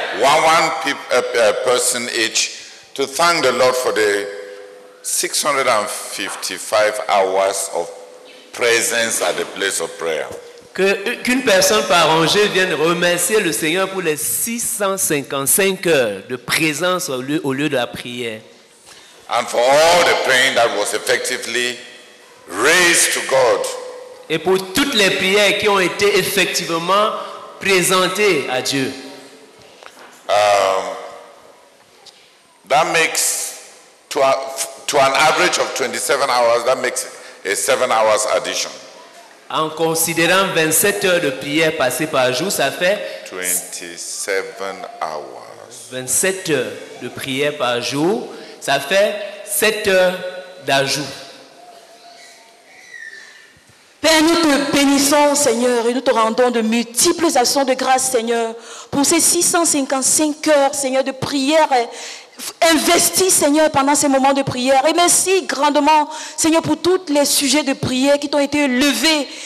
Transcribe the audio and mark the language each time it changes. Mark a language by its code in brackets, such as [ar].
[en] One person each to thank the Lord for the 655 hours of presence at the place of prayer. [fr] Qu'une personne par rangée vienne remercier le Seigneur pour les 655 heures de présence au lieu de la prière. [en] And for all the praying that was effectively raised to God. [fr] Et pour toutes les prières qui ont été effectivement présentées à Dieu. [en] That makes to an average of 27 hours, that makes a 7 hours addition. [fr] En considérant 27 heures de prière passées par jour, ça fait [en] 27 hours. [fr] 27 heures de prière par jour, ça fait 7 heures d'ajout. Père, nous te bénissons, Seigneur, et nous te rendons de multiples actions de grâce, Seigneur, pour ces 655 heures, Seigneur, de prière investis, Seigneur, pendant ces moments de prière. Et merci grandement, Seigneur, pour tous les sujets de prière qui t'ont été levés.